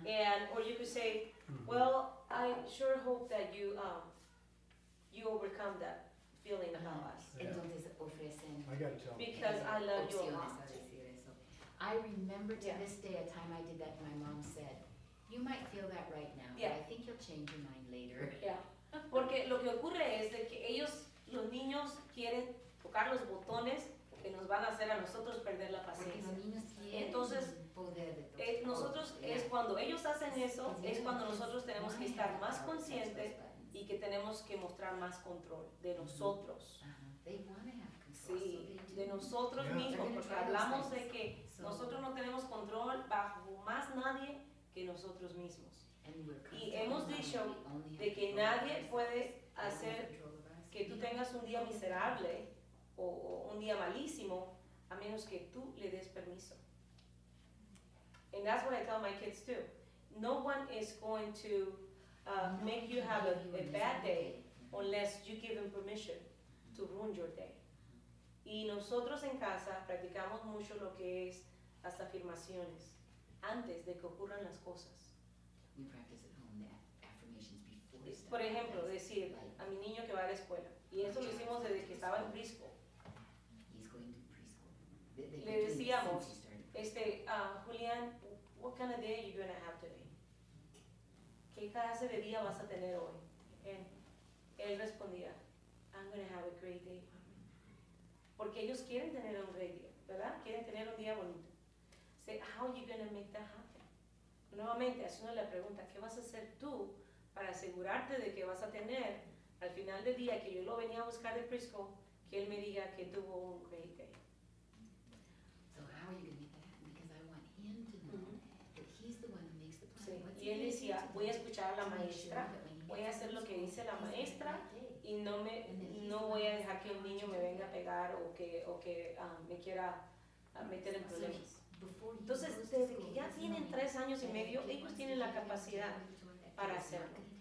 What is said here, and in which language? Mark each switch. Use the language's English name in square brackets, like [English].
[English] And or you could say, well, I sure hope that you you overcome that feeling about us. Because I love you a lot. I remember to this day a time I did that, my mom said, you might feel that right now, but I think you'll change your mind later. Yeah. [Spanish] Porque lo que ocurre es de que ellos... Los niños quieren tocar los botones que nos van a hacer a nosotros perder la paciencia. Entonces, nosotros, es cuando ellos hacen eso, es cuando nosotros tenemos que estar más conscientes y que tenemos que mostrar más control de nosotros. Sí, de nosotros mismos, porque hablamos de que nosotros no tenemos control bajo más nadie que nosotros mismos. Y hemos dicho de que nadie puede hacer... que tú tengas un día miserable o un día malísimo a menos que tú le des permiso. [English] And that's what I tell my kids too. No one is going to make you have a bad day unless you give them permission to ruin your day. [Spanish] Y nosotros en casa practicamos mucho lo que es las afirmaciones antes de que ocurran las cosas. [English] We practice at home the affirmations before. [Spanish] Por ejemplo, decir a mi niño que va a la escuela. Y eso lo hicimos desde que estaba en preschool. [English] He's going to preschool. [Spanish] Le decíamos, [English] Julián, what kind of day are you going to have today? [Spanish] ¿Qué clase de día vas a tener hoy? [English] And [Spanish] él respondía, [English] I'm going to have a great day. [Spanish] Porque ellos quieren tener un great día, ¿verdad? Quieren tener un día bonito. [English] Say, how are you going to make that happen? [Spanish] Nuevamente, haciendo la pregunta, ¿qué vas a hacer tú para asegurarte de que vas a tener al final del día que yo lo venía a buscar de Frisco, que él me diga que tuvo un [English] great day? So how are you going to make that happen? Because I want him to know that he's the one who makes the plan. [Spanish] Sí. Y él decía, voy a escuchar a la maestra, voy a hacer lo que dice la maestra y no voy a dejar que un niño me venga a pegar o que me quiera meter en problemas. Entonces, desde que ya tienen 3 años y medio, ellos tienen la capacidad para hacerlo.